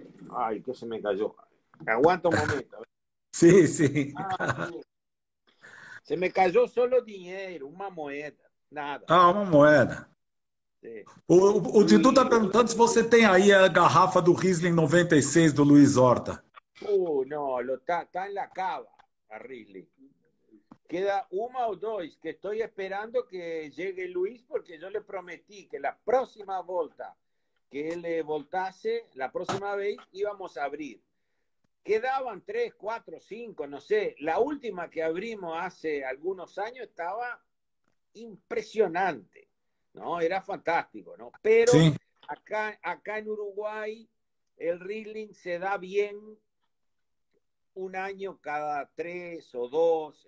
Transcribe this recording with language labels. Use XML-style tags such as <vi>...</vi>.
<es>Ay, que se me cayó. Aguanta un momento. Sí. Ah, sí. Se me cayó solo dinero, una moneda, nada. Ah, una moneda.</es> <pt>O Didu está perguntando se você tem aí a garrafa do Riesling 96 do Luiz Horta. Não, está na cava, a Riesling. Queda uma ou dois, que estou esperando que chegue o Luiz, porque eu lhe prometi que na próxima volta que ele voltasse, na próxima vez,</pt> <es>íbamos a abrir. Quedaban 3, 4, 5, no sé. La última que abrimos hace algunos años estaba impresionante, ¿no? Era fantástico, ¿no? Pero sí. acá en Uruguay el Riesling se da bien un año cada 3 o 2.</es>